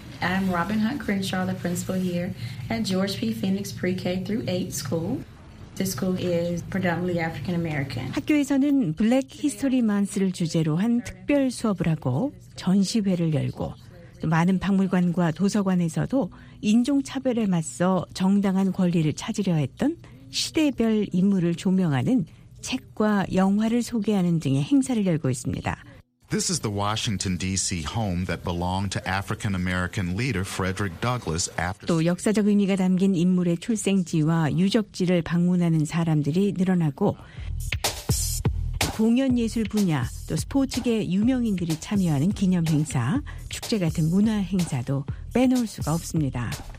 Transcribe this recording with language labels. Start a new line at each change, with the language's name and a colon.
English: I'm Robin Hunt Crenshaw, the principal here at George P. Phoenix Pre-K through 8 school. This school is predominantly African American.
Korean: 학교에서는 블랙 히스토리 만스를 주제로 한 특별 수업을 하고 전시회를 열고 많은 박물관과 도서관에서도 인종차별에 맞서 정당한 권리를 찾으려 했던 시대별 인물을 조명하는 책과 영화를 소개하는 등의 행사를 열고 있습니다.
English: This is the Washington, D.C. home that belonged to African-American leader Frederick Douglass. After...
Korean: 또 역사적 의미가 담긴 인물의 출생지와 유적지를 방문하는 사람들이 늘어나고 공연예술 분야, 또 스포츠계 유명인들이 참여하는 기념행사, 축제 같은 문화행사도 빼놓을 수가 없습니다.